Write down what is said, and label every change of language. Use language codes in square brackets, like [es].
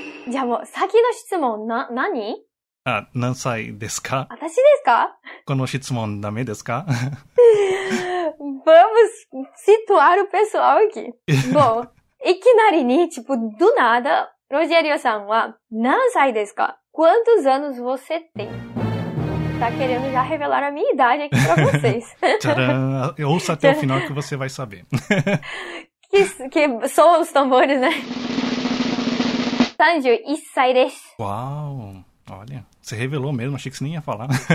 [ja] じゃあもう先の質問な何？あ、何歳ですか？私ですか？この質問ダメですか？ [pt] Vamos situar o pessoal aqui. Bom, [ja] いきなりに、 [pt] tipo, do nada, [ja] Rogério さんは何歳ですか？ [pt] Quantos anos você tem? Tá querendo já revelar a minha idade aqui pra vocês. Tcharam, ouça até o final que você vai saber. que soam os tambores, né? [ja] 31 歳です。 Uau! Olha, você revelou mesmo, achei que você nem ia falar.